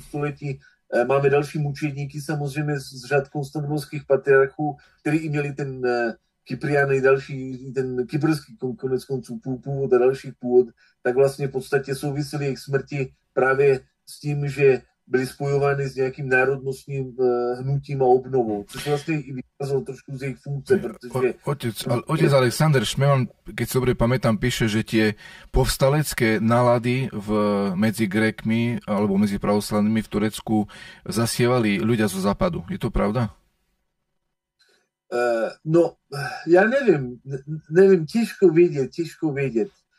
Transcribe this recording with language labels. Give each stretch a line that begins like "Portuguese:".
Czech: století máme další mučedníky, samozřejmě z řad konstantinovských patriarchů, kteří i měli ten Kyprián, další, ten kyprský konec konců původ a další původ, tak vlastně v podstatě souvisely jejich smrti právě s tím, že byly spojovány s nějakým národnostním hnutím a obnovou, což vlastně i vycházelo trošku z jejich funkce, protože...
Slovak: Otec Alexander Šmeman, keď si dobře pamätám, píše, že tie povstalecké nálady medzi Grékmi alebo medzi pravoslavnými v Turecku zasievali ľudia zo západu. Je to pravda?
Czech: No, já nevím, nevím, těžko vědět, těžko vědět.